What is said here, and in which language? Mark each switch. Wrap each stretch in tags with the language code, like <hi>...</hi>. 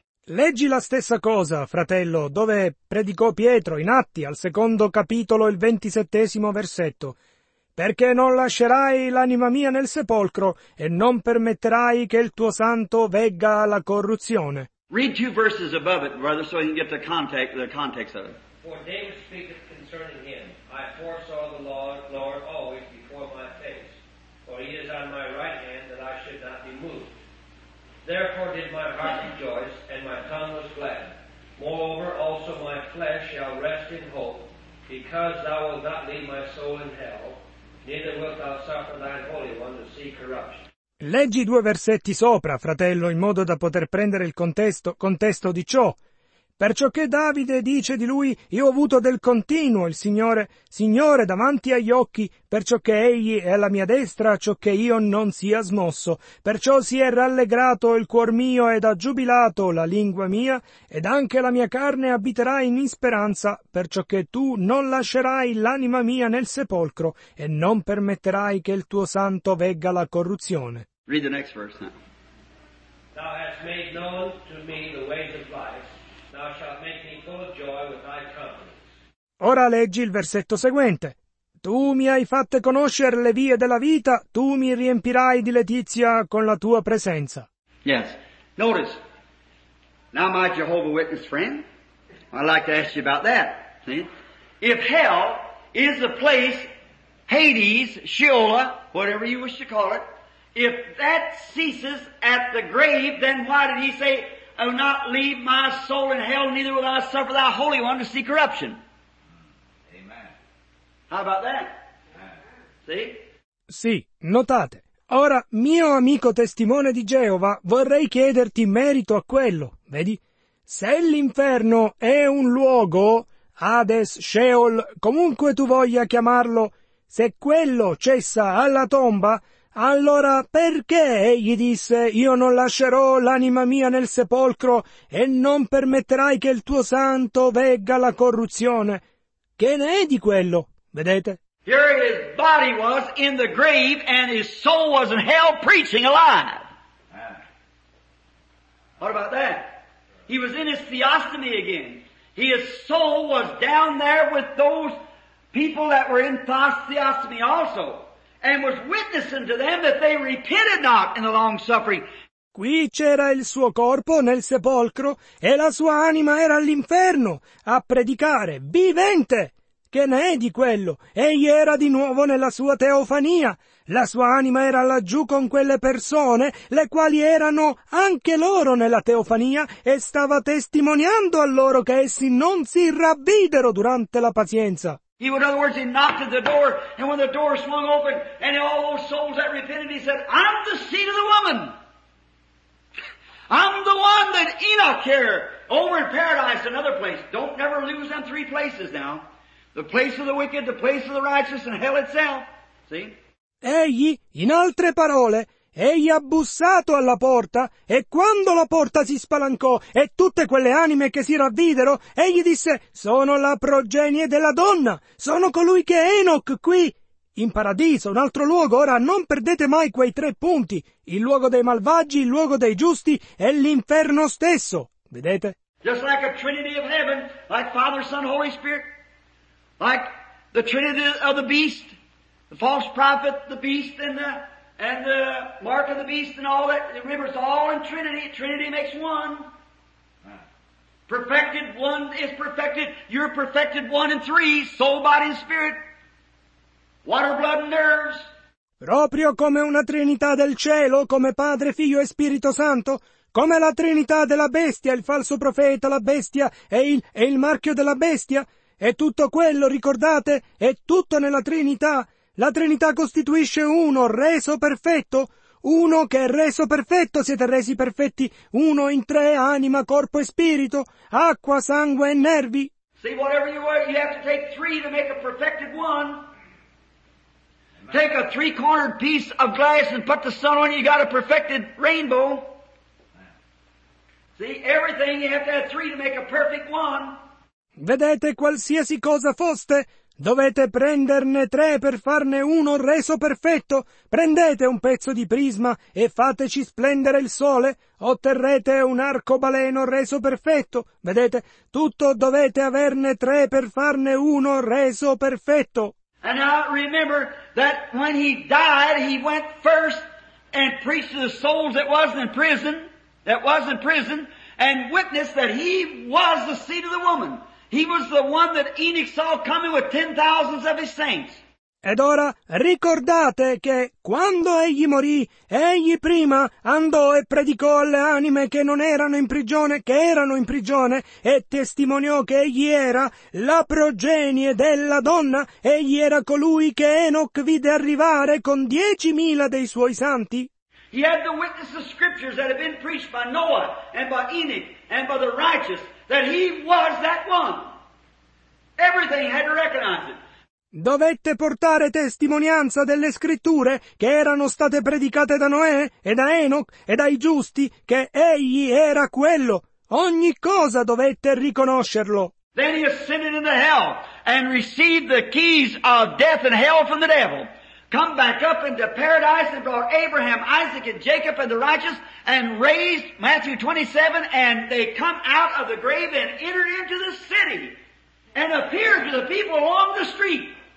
<it>Leggi la stessa cosa, fratello, dove predicò Pietro in Atti, al secondo capitolo, il 27 versetto. Perché non lascerai l'anima mia nel sepolcro e non permetterai che il tuo santo vegga la corruzione.</it> <en>Read two verses above it, brother, so you can get the context of it. For David speaketh concerning him, I foresaw the Lord always before my face, for he is on my right hand that I should not be moved. Therefore did my heart rejoice, and my tongue was glad. Moreover also my flesh shall rest in hope, because thou wilt not leave my soul in hell, neither wilt thou suffer thine holy one to see corruption.</en> <it>Leggi due versetti sopra, fratello, in modo da poter prendere il contesto di ciò. Perciò che Davide dice di lui, io ho avuto del continuo il Signore davanti agli occhi, perciò che egli è alla mia destra, ciò che io non sia smosso. Perciò si è rallegrato il cuor mio ed ha giubilato la lingua mia, ed anche la mia carne abiterà in speranza, perciò che tu non lascerai l'anima mia nel sepolcro, e non permetterai che il tuo santo vegga la corruzione.</it> <en>Read the next verse now. Thou hast made known to me the ways of life. thou shalt make me full of joy with thy company.</en> <it>Ora leggi il versetto seguente. Tu mi hai fatte conoscere le vie della vita, tu mi riempirai di letizia con la tua presenza.</it> <en>Yes. Notice. Now my Jehovah Witness friend, I'd like to ask you about that. See? If hell is the place, Hades, Sheola, whatever you wish to call it, if that ceases at the grave, then why did he say, I will not leave my soul in hell, neither will I suffer thy Holy One to see corruption? How about that? See?</en> <it>Sì, notate. Ora, mio amico testimone di Geova, vorrei chiederti merito a quello, vedi? Se l'inferno è un luogo, Hades, Sheol, comunque tu voglia chiamarlo, se quello cessa alla tomba, allora perché egli disse io non lascerò l'anima mia nel sepolcro e non permetterai che il tuo santo vegga la corruzione? Che ne è di quello? Vedete?</it> <en>Here his body was in the grave and his soul was in hell preaching alive. What about that? He was in his theostomy again. His soul was down there with those people that were in theostomy also and was witnessing to them that they repented not in the long suffering.</en> <it>Qui c'era il suo corpo nel sepolcro e la sua anima era all'inferno a predicare vivente. Che ne è di quello? Egli era di nuovo nella sua teofania. La sua anima era laggiù con quelle persone, le quali erano anche loro nella teofania, e stava testimoniando a loro che essi non si ravvidero durante la pazienza.</it> <en>In other words, he knocked at the door, and when the door swung open, and all those souls that repented, he said, I'm the seed of the woman. I'm the one that Enoch here, over in paradise, another place. Don't never lose them three places now. The place of the wicked, the place of the righteous, and hell itself. See?</en> <it>Egli, in altre parole, egli ha bussato alla porta, e quando la porta si spalancò, e tutte quelle anime che si ravvidero, egli disse, sono la progenie della donna, sono colui che è Enoch qui, in paradiso, un altro luogo, ora non perdete mai quei tre punti, il luogo dei malvagi, il luogo dei giusti, e l'inferno stesso. Vedete?</it> <en>Just like a trinity of heaven, like Father, Son, Holy Spirit. Like the trinity of the beast, the false prophet, the beast, and the mark of the beast, and all that. Remember, it's all in trinity. Trinity makes one. Perfected one is perfected. You're perfected one and three, soul, body, and spirit. Water, blood, and nerves.</en> <it>Proprio come una trinità del cielo, come Padre, Figlio e Spirito Santo, come la trinità della bestia, il falso profeta, la bestia e il marchio della bestia, e tutto quello, ricordate, è tutto nella Trinità. La Trinità costituisce uno reso perfetto. Uno che è reso perfetto, siete resi perfetti. Uno in tre, anima, corpo e spirito, acqua, sangue e nervi.</it> <en>See, whatever you are, you have to take three to make a perfected one. Take a three-cornered piece of glass and put the sun on it, you got a perfected rainbow. See, everything, you have to have three to make a perfect one.</en> <it>Vedete, qualsiasi cosa foste, dovete prenderne tre per farne uno reso perfetto. Prendete un pezzo di prisma e fateci splendere il sole, otterrete un arcobaleno reso perfetto. Vedete, tutto dovete averne tre per farne uno reso perfetto.</it> <en>And now remember that when he died, he went first and preached to the souls that was in prison, and witnessed that he was the seed of the woman. He was the one that Enoch saw coming with 10,000 of his saints.</en> <it>Ed ora ricordate che quando egli morì, egli prima andò e predicò alle anime che non erano in prigione, che erano in prigione, e testimoniò che egli era la progenie della donna, egli era colui che Enoch vide arrivare con 10,000 dei suoi santi.</it> <en>He had to witness the scriptures that had been preached by Noah and by Enoch and by the righteous. That he was that one. Everything had to recognize it.</en> <it>Dovette portare testimonianza delle scritture che erano state predicate da Noè e da Enoch e dai giusti che egli era quello. Ogni cosa dovette riconoscerlo.</it> <en>Then he ascended into hell and received the keys of death and hell from the devil. come back up into paradise and brought Abraham, Isaac, and Jacob and the righteous and raised, Matthew 27, and they come out of the grave and entered into the city and appeared to the people along the street.</en>